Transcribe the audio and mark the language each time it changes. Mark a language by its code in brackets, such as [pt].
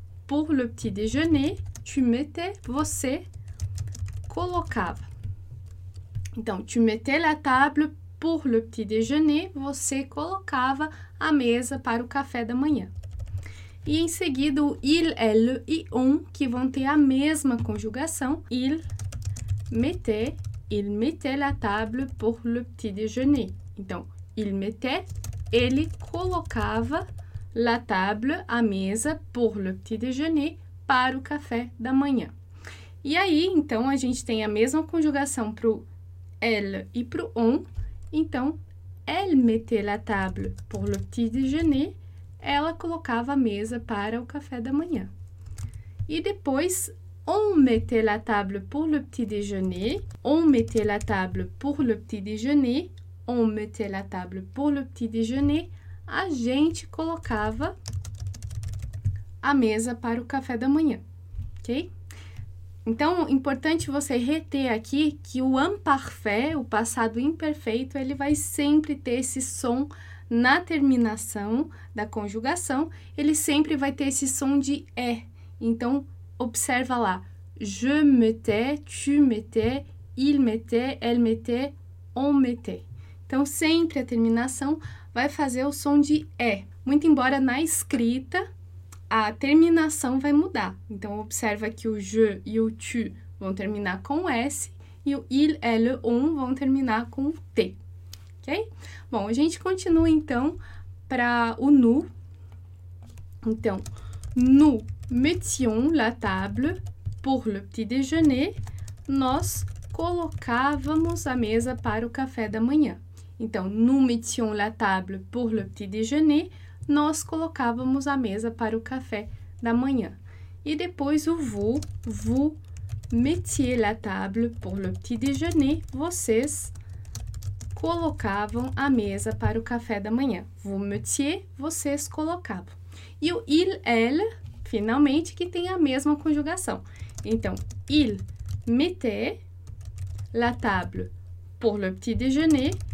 [fr] Pour le petit déjeuner, tu mettais, [pt] você colocava. Então, [fr] tu mettais la table pour le petit déjeuner, [pt] você colocava a mesa para o café da manhã. E em seguida, o il, elle e on, que vão ter a mesma conjugação. [fr] Il mettait la table pour le petit déjeuner. [pt] Então, [fr] il mettait, [pt] ele colocava. [fr] La table, [pt] a mesa, [fr] pour le petit déjeuner, [pt] para o café da manhã. E aí, então, a gente tem a mesma conjugação para o elle e para o on. [fr] Então, elle mettait la table pour le petit déjeuner. [pt] Ela colocava a mesa para o café da manhã. E depois, [fr] on mettait la table pour le petit déjeuner. On mettait la table pour le petit déjeuner. On mettait la table pour le petit déjeuner. [pt] A gente colocava a mesa para o café da manhã, ok? Então, importante você reter aqui que o imparfait, o passado imperfeito, ele vai sempre ter esse som na terminação da conjugação, ele sempre vai ter esse som de é. Então, observa lá: [fr] je mettais, tu mettais, il mettait, elle mettait, on mettait. [pt] Então, sempre a terminação vai fazer o som de é. Muito embora na escrita a terminação vai mudar. Então, observa que o je e o tu vão terminar com s e o il, elle, on vão terminar com t. Ok? Bom, a gente continua então para o nous. [fr] Então, nous mettions la table pour le petit déjeuner. [pt] Nós colocávamos a mesa para o café da manhã. Então, [fr] nous mettions la table pour le petit déjeuner, [pt] nós colocávamos a mesa para o café da manhã. E depois o [fr] vous mettiez la table pour le petit déjeuner, [pt] vocês colocavam a mesa para o café da manhã. [fr] Vous mettiez, [pt] vocês colocavam. E o il, elle, finalmente, que tem a mesma conjugação. [fr] Então, il mettait la table pour le petit déjeuner.